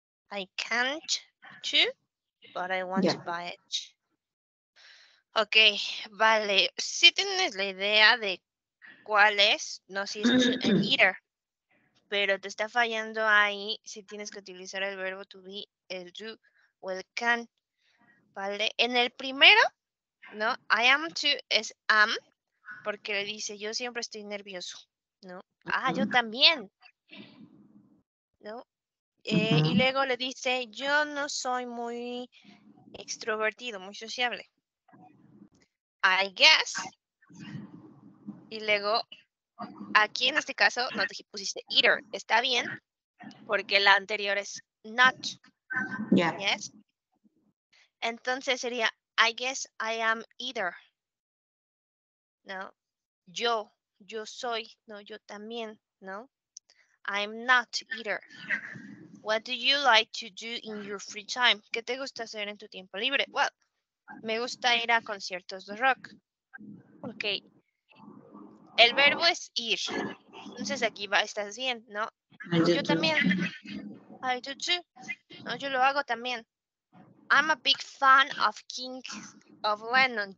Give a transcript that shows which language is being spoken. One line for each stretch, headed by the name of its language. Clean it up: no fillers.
English: I can't too, but I want to buy it.
Spanish: Okay, vale. Si tienes la idea de cuál es, no sé si es el either, pero te está fallando ahí si tienes que utilizar el verbo to be, el do o el can. Vale, en el primero, ¿no?
English: I am too
Spanish: es am. Porque le dice, yo siempre estoy nervioso, ¿no? Uh-huh. Ah, yo también, ¿no? Y luego le dice, yo no soy muy extrovertido, muy sociable.
English: I guess.
Spanish: Y luego, aquí en este caso, no te pusiste either. Está bien, porque la anterior es not.
English: Yeah. Yes.
Spanish: Entonces sería,
English: I guess I am either. no?
Spanish: Yo, yo soy, no, yo también, no?
English: I'm not either. What do you like to do in your free time?
Spanish: ¿Qué te gusta hacer en tu tiempo libre? Well, me gusta ir a conciertos de rock. Okay. El verbo es ir. Entonces aquí va, estás bien, ¿no? Yo también.
English: I do too.
Spanish: No, yo lo hago también.
English: I'm a big fan of King of Lennon.